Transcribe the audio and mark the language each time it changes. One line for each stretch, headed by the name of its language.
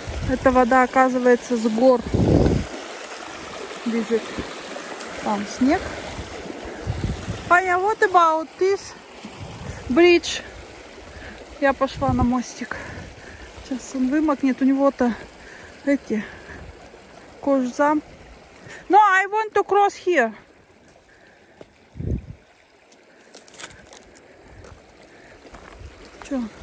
Russian: Эта вода, оказывается, с гор лежит. Там снег.
English: Аня, what about this bridge?
Russian: Я пошла на мостик. Сейчас он вымокнет. У него-то эти кожзам.
English: No, I want to cross here.
Russian: Чё?